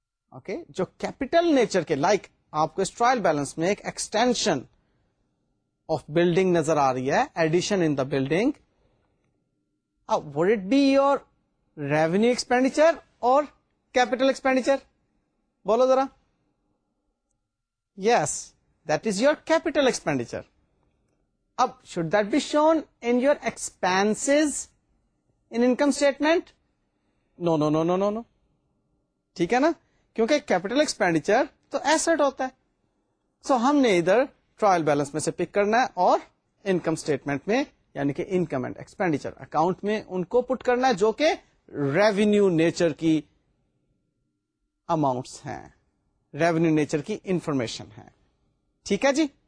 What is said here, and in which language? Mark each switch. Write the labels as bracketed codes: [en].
[ur] Okay, جو capital nature کے like آپ کو اس ٹرائل بیلنس میں ایک ایکسٹینشن آف بلڈنگ نظر آ رہی ہے, edition in the building, [en] Would it be your revenue expenditure اور capital expenditure? [ur] بولو ذرا. [en] Yes, that is your capital expenditure. Up, should that be shown in your expenses in income statement? No. [ur] ٹھیک ہے نا, کیونکہ capital expenditure تو asset ہوتا ہے. So ہم نے ادھر trial balance میں سے pick کرنا ہے اور income statement میں یعنی کہ income and expenditure account میں ان کو put کرنا ہے جو کہ revenue nature کی amounts ہیں, ریونیو نیچر کی انفارمیشن ہے. ٹھیک ہے جی.